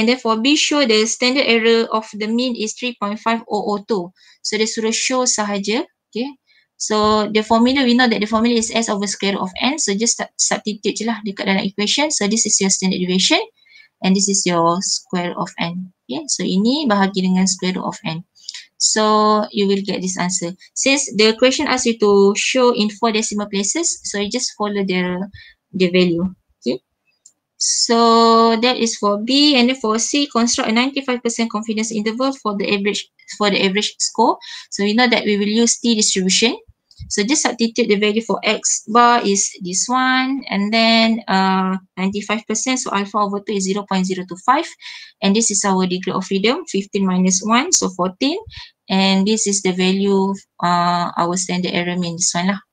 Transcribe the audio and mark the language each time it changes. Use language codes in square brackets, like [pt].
[en] And then for B, show the standard error of the mean is 3.5002. [ms] So dia suruh show sahaja. [en] Okay, so the formula, we know that the formula is S over square of N. So just substitute [ms] je lah dekat dalam [en] equation. So this is your standard deviation and this is your square of N. [ms] Okay, so ini bahagi dengan square of N. [en] So you will get this answer. Since the question asks you to show in four decimal places, so you just follow the value. So that is for B. And then for C, construct a 95% confidence interval for the average score. So we know that we will use T distribution. So just substitute the value for X bar is this one, and then 95%, so alpha over 2 is 0.025, and this is our degree of freedom, 15 minus 1, so 14, and this is the value our standard error mean, this one lah.